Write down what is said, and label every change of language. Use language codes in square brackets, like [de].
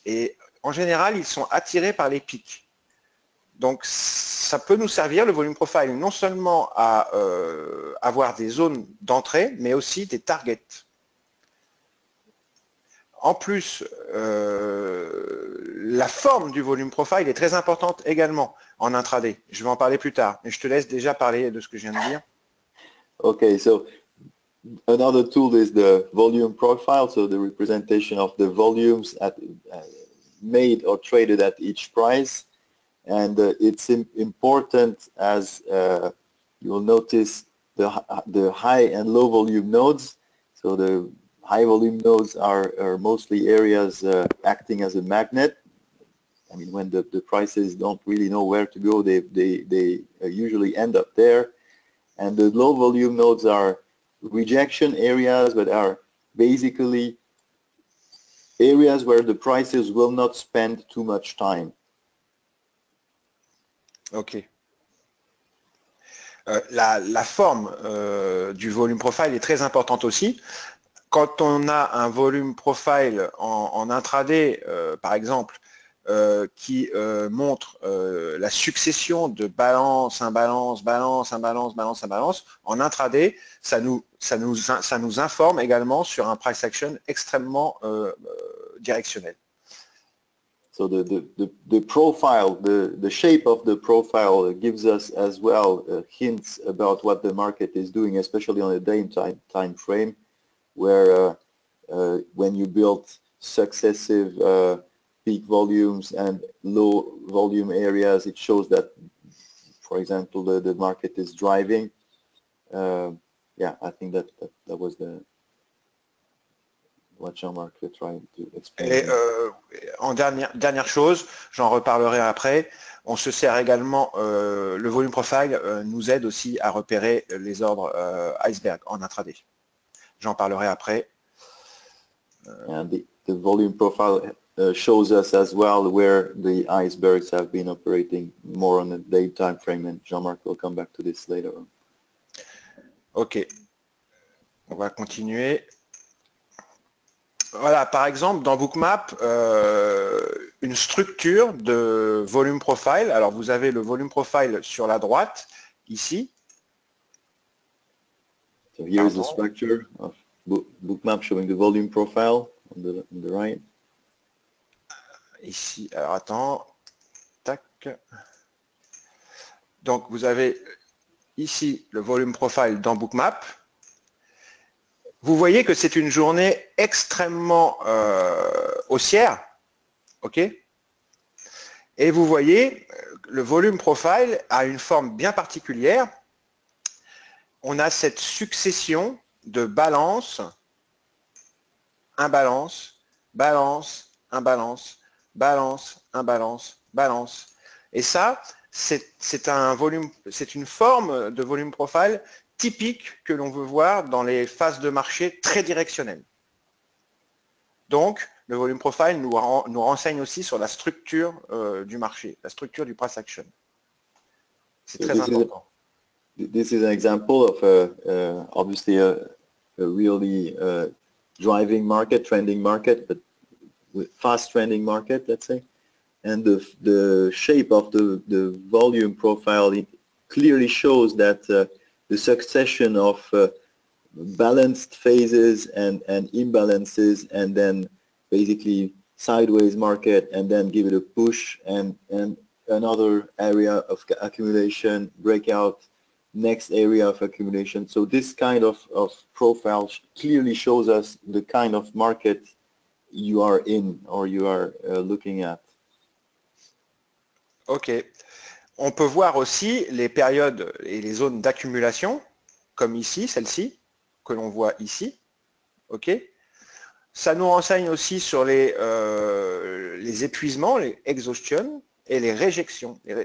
[fr] Et en général, ils sont attirés par les pics. Donc, ça peut nous servir, le volume profile, non seulement à avoir des zones d'entrée, mais aussi des targets. En plus, la forme du volume profile est très importante également en intraday. Je vais en parler plus tard, mais je te laisse déjà parler de ce que je viens de dire. [en] Okay, so another tool is the volume profile, so the representation of the volumes made or traded at each price. And it's important, as you will notice, the high and low volume nodes, so the high volume nodes are mostly areas acting as a magnet. I mean, when the prices don't really know where to go, they usually end up there. And the low volume nodes are rejection areas, but are basically areas where the prices will not spend too much time. Okay. [fr] La forme du volume profile est très importante aussi. Quand on a un volume profile en intraday, par exemple, qui montre la succession de balance, imbalance, balance, imbalance, balance, imbalance, en intraday, ça nous informe également sur un price action extrêmement directionnel. [en] So the profile, the shape of the profile gives us as well hints about what the market is doing, especially on a day time frame, where when you build successive peak volumes and low volume areas, it shows that, for example, the market is driving. I think that was the what Jean-Marc was trying to explain. [fr] Et en dernière chose, j'en reparlerai après, on se sert également, le volume profile nous aide aussi à repérer les ordres iceberg en intraday. J'en parlerai après. [en] And the volume profile shows us as well where the icebergs have been operating more on a day time frame, and Jean-Marc will come back to this later on. [fr] Ok, on va continuer. Voilà, par exemple, dans Bookmap, une structure de volume profile. Alors, vous avez le volume profile sur la droite, ici. [en] So here is the structure of Bookmap showing the volume profile on the right. [fr] Ici, alors attends. Tac. Donc, vous avez ici le volume profile dans Bookmap. Vous voyez que c'est une journée extrêmement haussière, ok? Et vous voyez, le volume profile a une forme bien particulière. On a cette succession de balance, imbalance, balance, imbalance, balance, imbalance, balance. Et ça, c'est un volume, c'est une forme de volume profile typique que l'on veut voir dans les phases de marché très directionnelles. Donc, le volume profile nous renseigne aussi sur la structure du marché, la structure du price action. C'est très important. [en] This is an example of obviously a really driving market, trending market, but fast trending market, let's say. And the shape of the volume profile, it clearly shows that the succession of balanced phases and imbalances, and then basically sideways market, and then give it a push and another area of accumulation, breakout, next area of accumulation. So this kind of profile clearly shows us the kind of market you are in or you are looking at. Okay. [fr] On peut voir aussi les périodes et les zones d'accumulation, comme ici, celle-ci, que l'on voit ici. Okay. Ça nous renseigne aussi sur les épuisements, les exhaustion, et les réjections.